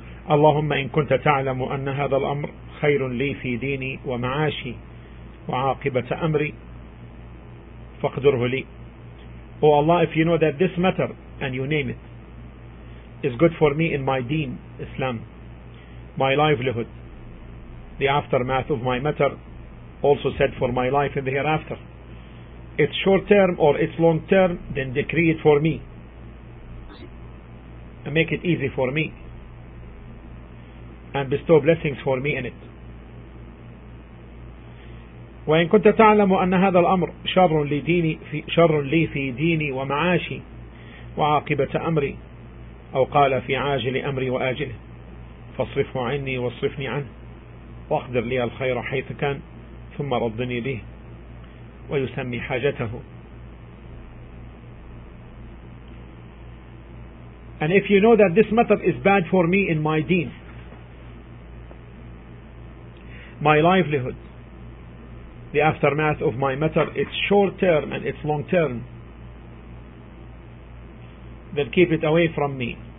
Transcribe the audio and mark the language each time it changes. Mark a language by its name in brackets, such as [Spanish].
[Arabic] اللهم إن كنت تعلم أن هذا الأمر خير لي في ديني ومعاشي وعاقبة أمري فاقدره لي. [English] O Allah, if you know that this matter, and you name it, is good for me in my deen, Islam, my livelihood, the aftermath of my matter, also said for my life in the hereafter, its short term or its long term, then decree it for me and make it easy for me and bestow blessings for me in it. [Arabic] وإن كنت تعلم أن هذا الأمر شر لي في ديني ومعاشي وعاقبة أمري, أو قال في عاجل أمري وآجله, فاصرفه عني واصرفني عنه, واقدر لي الخير حيث كان, ثم ردني به ويسمي حاجته. [English] And if you know that this matter is bad for me in my deen, my livelihood, the aftermath of my matter, its short term and its long term, then keep it away from me